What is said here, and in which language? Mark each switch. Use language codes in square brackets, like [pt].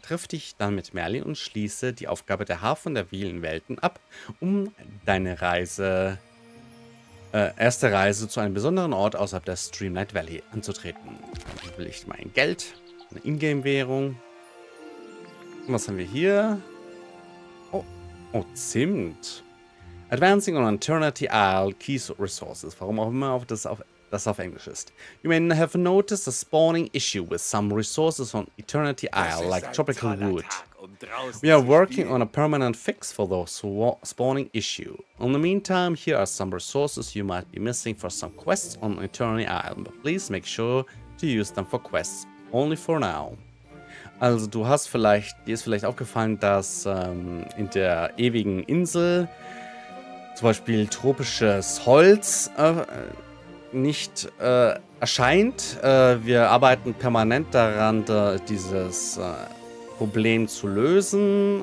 [de] Triff dich dann mit Merlin und schließe die Aufgabe der Hafen der vielen Welten ab, um deine erste Reise zu einem besonderen Ort außerhalb der Streamlight Valley anzutreten. Dann will ich mein Geld, eine Ingame-Währung. Was haben wir hier? Oh, Zimt. [en] Advancing on Eternity Isle Keys Resources. [de] Warum auch immer das auf Englisch ist. [en] You may have noticed a spawning issue with some resources on Eternity Isle, like tropical wood. We are working on a permanent fix for the spawning issue. In the meantime, here are some resources you might be missing for some quests on Eternity Isle, but please make sure to use them for quests only for now. [de] Also, dir ist vielleicht aufgefallen, dass in der ewigen Insel zum Beispiel tropisches Holz nicht erscheint. Wir arbeiten permanent daran, dieses Problem zu lösen.